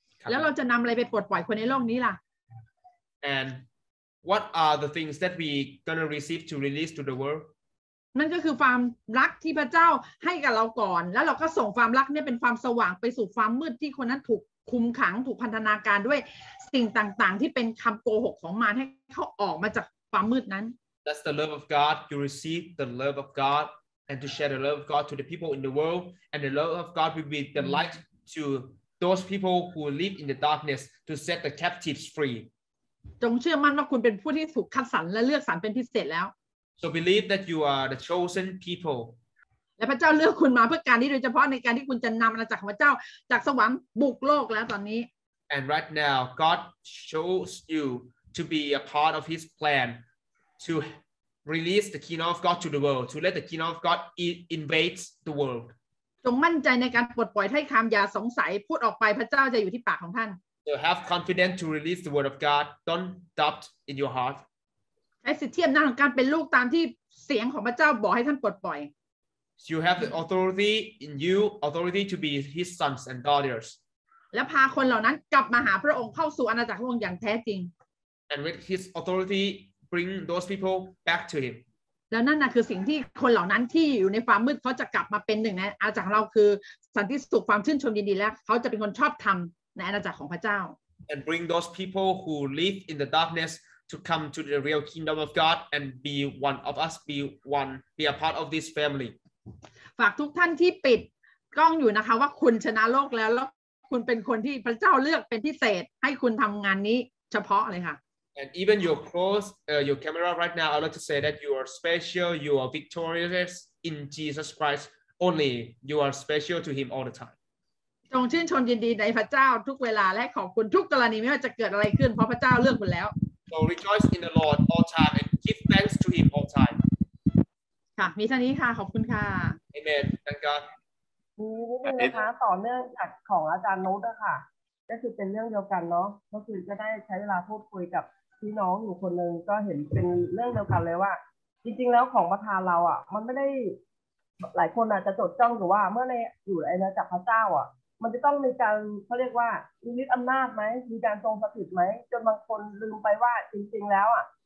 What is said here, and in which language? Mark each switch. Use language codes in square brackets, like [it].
[th] แล้วเราจะนำอะไรไปปลดปล่อยคนในโลกนี้ล่ะ [en] And what are the things that we gonna receive to release to the world [th] นั่นก็คือความรักที่พระเจ้าให้กับเราก่อนแล้วเราก็ส่งความรักเนี่ยเป็นความสว่างไปสู่ความมืดที่คนนั้นถูกคุมขังถูกพันธนาการด้วยสิ่งต่างๆที่เป็นคำโกหกของมารให้เขาออกมาจากความมืดนั้น [en] That's the love of God. You receive the love of God and to share the love of God to the people in the world and the love of God will be the light to those people who live in the darkness to set the captives free. [th] จงเชื่อมั่นว่าคุณเป็นผู้ที่ถูกคัดสรรและเลือกสรรเป็นพิเศษแล้ว [en] So believe that you are the chosen people. [th] และพระเจ้าเลือกคุณมาเพื่อการนี้โดยเฉพาะในการที่คุณจะนำอาณาจักรของพระเจ้าจากสวรรค์บุกโลกแล้วตอนนี้ [en] And right now, God chose you to be a part of His plan to release the kingdom of God to the world, to let the kingdom of God invade the world. [th] จงมั่นใจในการปลดปล่อยถ้อยคำอย่าสงสัยพูดออกไปพระเจ้าจะอยู่ที่ปากของท่าน [en] So have confidence to release the word of God. Don't doubt in your heart. [th] ใช้สิทธิอำนาจของการเป็นลูกตามที่เสียงของพระเจ้าบอกให้ท่านปลดปล่อย [en] You have the authority in you, authority to be his sons and daughters. [th] และพาคนเหล่านั้นกลับมาหาพระองค์เข้าสู่อาณาจักรพระองค์อย่างแท้จริง [en] And with his authority, bring those people back to him. [th] แล้วนั่นนะคือสิ่งที่คนเหล่านั้นที่อยู่ในความมืดเขาจะกลับมาเป็นหนึ่งในอาณาจักรเราคือสันติสุขความชื่นชมยินดีและเขาจะเป็นคนชอบธรรมในอาณาจักรของพระเจ้า [en] And bring those people who live in the darknessto come to the real kingdom of God and be one of us be a part of this family [th] ฝากทุกท่านที่ปิดกล้องอยู่นะคะว่าคุณชนะโลกแล้วคุณเป็นคนที่พระเจ้าเลือกเป็นพิเศษให้คุณทำงานนี้เฉพาะเลยค่ะ [en] and even your close your camera right now I'd like to say that you are special you are victorious in Jesus Christ only you are special to him all the time [th] จงชื่นชมยินดีในพระเจ้าทุกเวลาและขอบคุณทุกกรณีไม่ว่าจะเกิดอะไรขึ้นเพราะพระเจ้าเลือกคุณแล้ว [en] So rejoice in the Lord all time and give thanks to him all time [th] ค่ะมีเท่านี้ค่ะขอบคุณค่ะ [en] Amen Thank God [th] มีนิดนึงนะคะต่อเนื่องจากของอาจารย์โน้ตอะค่ะก็คือเป็นเรื่องเดียวกันเนาะก็คือจะได้ใช้เวลาพูดคุยกับพี่น้องอยู่คนนึงก็เห็นเป็นเรื่องเดียวกันเลยว่าจริงๆแล้วของประทานเราอะมันไม่ได้ หลายคนอะจะจดจ้องหรือว่าเมื่อในอยู่ในอาณาจักรพระเจ้าอะมันจะต้องมีการเขาเรียกว่ามีฤทธิ์อำนาจไหมมีการทรงสถิตไหมจนบางคนลืมไปว่าจริงๆแล้วอ่ะ